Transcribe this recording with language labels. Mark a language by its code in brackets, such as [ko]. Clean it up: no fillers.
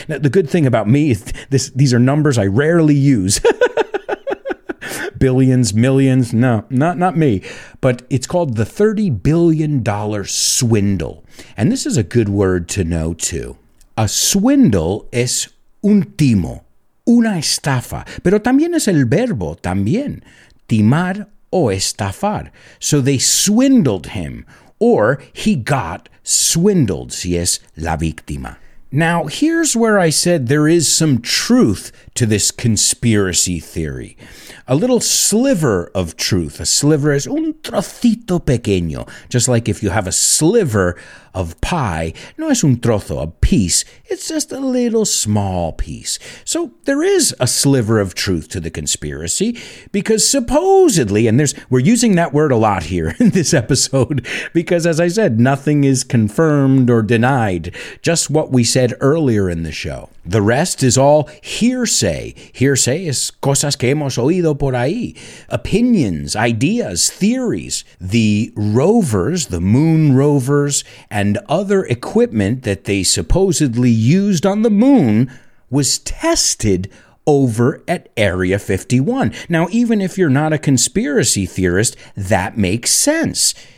[en] Now, the good thing about me is these are numbers I rarely use. Billions, millions, no, not me. But it's called the $30 billion swindle. And this is a good word to know, too. [es] A swindle es un timo, una estafa. Pero también es el verbo, también, timar o estafar. [en] So they swindled him, or he got swindled, [es] si es la víctima. [en] Now, here's where I said there is some truth to this conspiracy theory. A little sliver of truth. A sliver is [es] un trocito pequeño. [en] Just like if you have a sliver of pie, [es] no es un trozo, [en] a piece. It's just a little small piece. So there is a sliver of truth to the conspiracy because supposedly, and we're using that word a lot here in this episode because, as I said, nothing is confirmed or denied. Just what we said earlier in the show. The rest is all hearsay. Hearsay is [es] cosas que hemos oído por ahí. [en] Opinions, ideas, theories. The rovers, the moon rovers, and other equipment that they supposedly used on the moon was tested over at Area 51. Now, even if you're not a conspiracy theorist, that makes sense.